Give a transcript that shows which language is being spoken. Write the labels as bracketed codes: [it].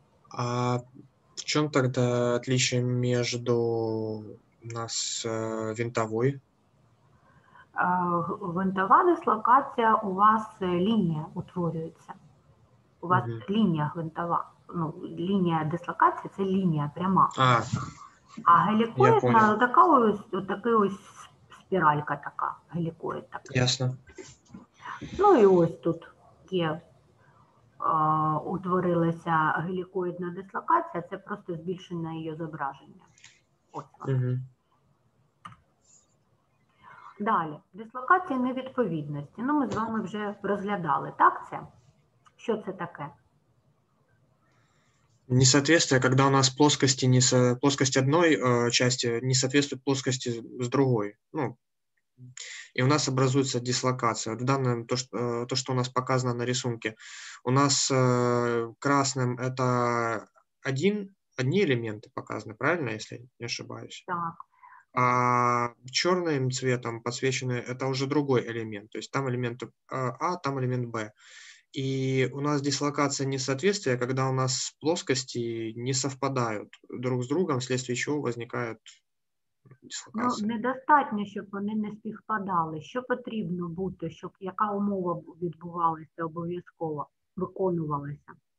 [ru] А в чем тогда отличие между нас винтовой? [uk] Гвинтова дислокація, у вас лінія утворюється. У вас лінія гвинтова. Ну, лінія дислокації – це лінія пряма. А гелікоїдна – така ось, отака ось спіралька така, гелікоїд така. Ясно. Ну і ось тут є, утворилася гелікоїдна дислокація, це просто збільшення її зображення. Ось. Далі, дислокація невідповідності. Ну, ми з вами вже розглядали, так це? Що це таке? [ru] Несоответствие, когда у нас плоскости не со... плоскость одной части не соответствует плоскости с другой. Ну, и у нас образуется дислокация. Вот в данном то, что у нас показано на рисунке, у нас красным это одни элементы показаны, правильно, если не ошибаюсь? Так. А черным цветом подсвечены это уже другой элемент. То есть там элемент А, там элемент Б. И у нас дислокация несоответствия, когда у нас плоскости не совпадают друг с другом, вследствие чего возникает дислокация. [uk] Ну, недостатньо, щоб вони не співпадали. Що потрібно бути, щоб яка умова відбувалася обов'язково, виконувалася?